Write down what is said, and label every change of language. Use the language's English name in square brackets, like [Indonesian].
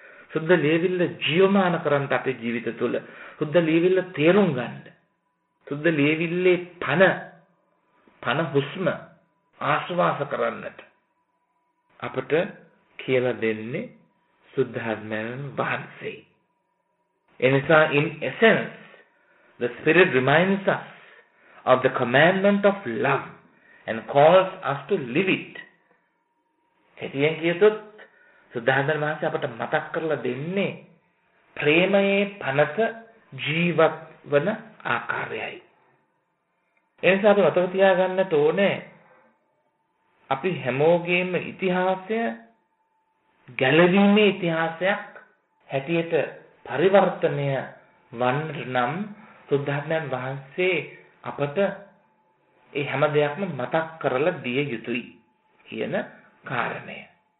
[Sinhala] සුද්ධ ලේවිල්ල ජීවමාන කරන්ට අපේ ජීවිත තුළ සුද්ධ ලේවිල්ල තේරුම් ගන්න. සුද්ධ ලේවිල්ලේ පන හුස්ම ආශ්වාස කරන්නට අපට කියලා දෙන්නේ සුද්ධාත්මයන් වහන්සේ. [English] එනිසා in essence, the Spirit reminds us of the commandment of love and calls us to live it. [Sinhala] හැටියෙන් කියතොත් සුද්ධාත්මයන් වහන්සේ අපට මතක් කරලා දෙන්නේ ප්‍රේමයේ පනත ජීවත් වන ආකාරයයි. එනිසා අපි මතක තියාගන්න ඕනේ අපි හැමෝගේම ඉතිහාසය ගැළවීමේ ඉතිහාසයක් හැටියට පරිවර්තනය වන්නට නම් සුද්ධාත්මයන් වහන්සේ අපට ඒ හැම දෙයක්ම මතක් කරලා දිය යුතුයි කියන කාරණය.